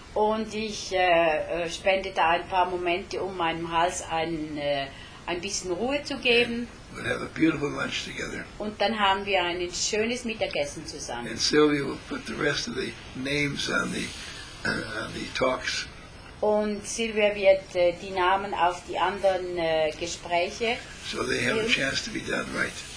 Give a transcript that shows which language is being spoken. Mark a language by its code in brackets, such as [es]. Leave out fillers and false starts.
[de] Und ich spende da ein paar Momente, um meinem Hals ein bisschen Ruhe zu geben. [en] We'll have a beautiful lunch together. [de] Und dann haben wir ein schönes Mittagessen zusammen. [en] And Sylvia will put the rest of the names on the talks. [de] Und Sylvia wird die Namen auf die anderen Gespräche. [en] So they have a chance to be done right.